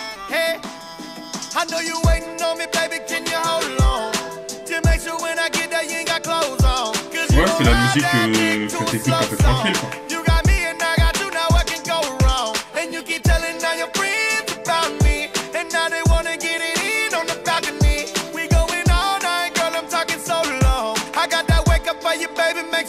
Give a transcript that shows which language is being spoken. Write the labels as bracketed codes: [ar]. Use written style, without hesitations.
[en] Hey, I know you waiting on me, baby, can you hold on? To make sure when I get that you ain't got clothes on. [fr] Ouais, c'est la musique que t'écoutes un peu tranquille, quoi. [en] You got me and I got you, now I can go wrong. And you keep telling now your friends about me. And now they wanna get it in on the balcony. We going all night, girl, I'm talking so long. I got that wake up by you, baby.